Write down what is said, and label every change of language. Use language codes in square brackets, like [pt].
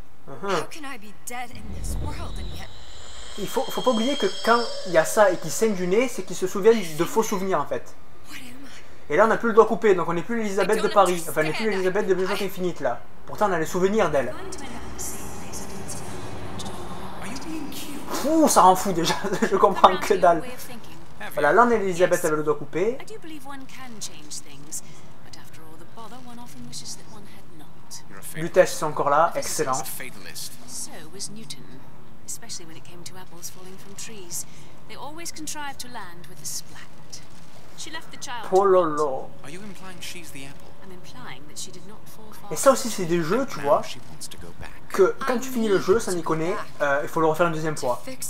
[en] How can I be dead in this world and yet? [fr] Il faut pas oublier que quand il y a ça et qu'il saigne du nez, c'est qu'il se souvient de faux souvenirs en fait. Et là, on n'a plus le doigt coupé, donc on n'est plus l'Elizabeth de Paris. Enfin, on n'est plus l'Elizabeth de Bioshock Infinite là. Pourtant, on a les souvenirs d'elle. Ouh, ça rend fou déjà, je comprends que dalle. Voilà, là on est Elizabeth avec le doigt coupé. Je Lutèce est encore là, excellent. [en] So was Newton, especially when it came to apples falling from trees. They always contrived to land with a splat. She left the child. Pololo. Are you implying she's the apple? I'm implying that she did not fall far. [fr] Et ça aussi c'est des jeux, tu vois. Que quand tu finis le jeu, sans déconner, il faut le refaire une deuxième fois.